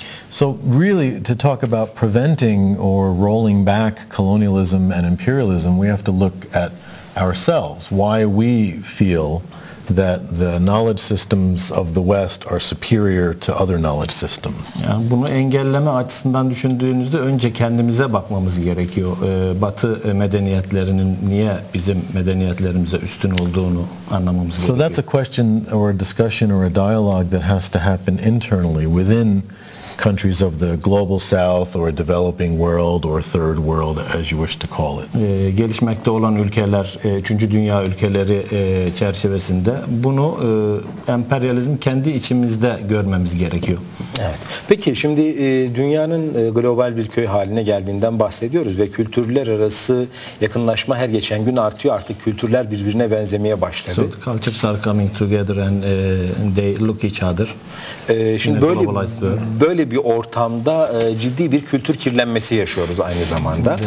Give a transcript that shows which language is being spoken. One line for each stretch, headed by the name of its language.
English: So really, to talk about preventing or rolling back colonialism and imperialism, we have to look at ourselves, why we feel that the knowledge systems of the West are superior to other knowledge systems.
Turkish: Yani bunu engelleme açısından düşündüğünüzde önce kendimize bakmamız gerekiyor. Batı medeniyetlerinin niye bizim medeniyetlerimize üstün olduğunu anlamamız gerekiyor.
English: So that's a question or a discussion or a dialogue that has to happen internally within countries of the global south or developing world or third world as you wish to call it.
Turkish: Gelişmekte olan ülkeler, üçüncü dünya ülkeleri çerçevesinde bunu emperyalizm kendi içimizde görmemiz gerekiyor. Evet. Peki şimdi dünyanın global bir köy haline geldiğinden bahsediyoruz ve kültürler arası yakınlaşma her geçen gün artıyor. Artık kültürler birbirine benzemeye başladı.
English: So, cultures are coming together and they look each other.
Turkish: Şimdi böyle bir ortamda ciddi bir kültür kirlenmesi yaşıyoruz aynı zamanda.